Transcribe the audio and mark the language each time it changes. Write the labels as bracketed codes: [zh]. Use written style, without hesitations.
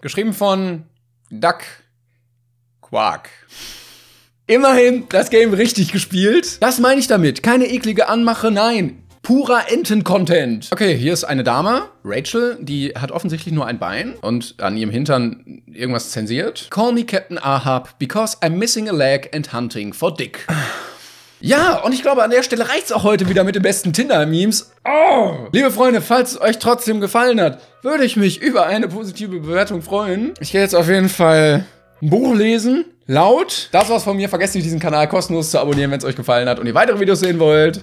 [de] Geschrieben von Duck Quark. Immerhin das Game richtig gespielt. Das meine ich damit. Keine eklige Anmache, nein. Purer Enten-Content. Okay, hier ist eine Dame, Rachel, die hat offensichtlich nur ein Bein und an ihrem Hintern irgendwas zensiert. [en] Call me Captain Ahab, because I'm missing a leg and hunting for dick. [de] Ja, und ich glaube, an der Stelle reicht's auch heute wieder mit den besten Tinder-Memes. Oh! Liebe Freunde, falls es euch trotzdem gefallen hat, würde ich mich über eine positive Bewertung freuen. Ich gehe jetzt auf jeden Fall ein Buch lesen. Laut. Das war's von mir. Vergesst nicht, diesen Kanal kostenlos zu abonnieren, wenn es euch gefallen hat und ihr weitere Videos sehen wollt.